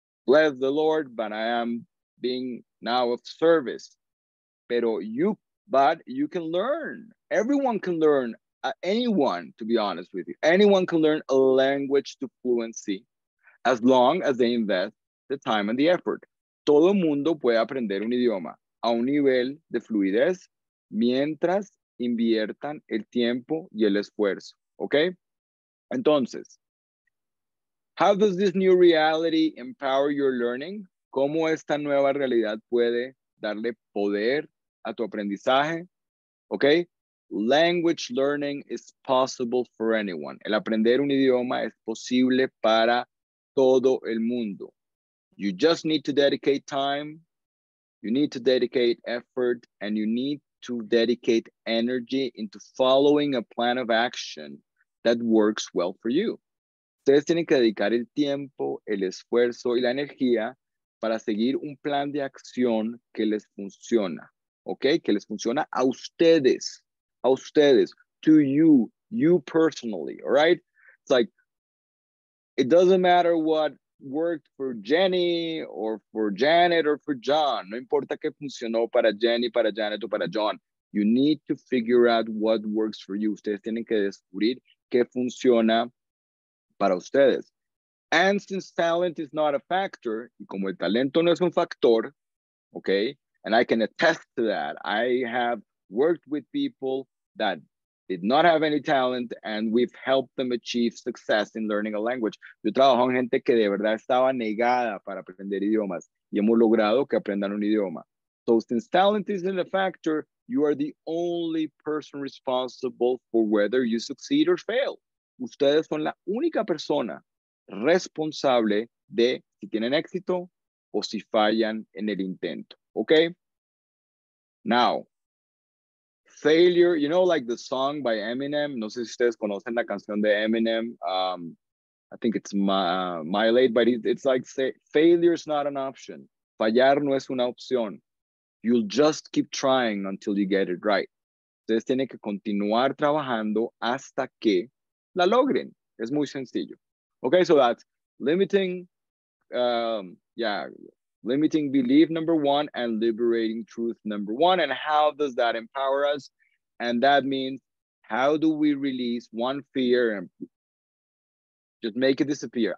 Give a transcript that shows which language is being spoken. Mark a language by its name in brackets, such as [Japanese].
[English] Bless the Lord, but I am being now of service. But you can learn. Everyone can learn, anyone, to be honest with you. Anyone can learn a language to fluency as long as they invest the time and the effort. [Spanish] Todo mundo puede aprender un idioma a un nivel de fluidez mientras inviertan el tiempo y el esfuerzo, okay? [English] Entonces, how does this new reality empower your learning? [Spanish] ¿Cómo esta nueva realidad puede darle poder a tu aprendizaje? Okay? [English] Language learning is possible for anyone. [Spanish] El aprender un idioma es posible para todo el mundo. [English] You just need to dedicate time, you need to dedicate effort, and you need to dedicate energy into following a plan of action that works well for you. [Spanish] Ustedes tienen que dedicar el tiempo, el esfuerzo y la energía para seguir un plan de acción que les funciona, okay? Que les funciona a ustedes, [English] to you, you personally, all right? It's like, it doesn't matter what worked for Jenny or for Janet or for John. [Spanish] No importa qué funcionó para Jenny, para Janet o para John. [English] You need to figure out what works for you. [Spanish] Ustedes tienen que descubrir qué funciona para ustedes. [English] And since talent is not a factor, [Spanish] y como el talento no es un factor, [English] okay, and I can attest to that. I have worked with people that did not have any talent, and we've helped them achieve success in learning a language. [Spanish] Yo trabajo con gente que de verdad estaba negada para aprender idiomas, y hemos logrado que aprendan un idioma. [English] So since talent isn't a factor, you are the only person responsible for whether you succeed or fail. [Spanish] Ustedes son la única persona responsable de si tienen éxito o si fallan en el intento, okay? [English] Now, failure, you know, like the song by Eminem, [Spanish] no sé si ustedes conocen la canción de Eminem, [English] I think it's My Late, but it's like, say, failure is not an option. [Spanish] Fallar no es una opción. [English] You'll just keep trying until you get it right. [Spanish] Ustedes tienen que continuar trabajando hasta que la logren. Es muy sencillo. [English] Okay, so that's limiting belief number one and liberating truth number one. And how does that empower us? And that means, how do we release one fear and just make it disappear?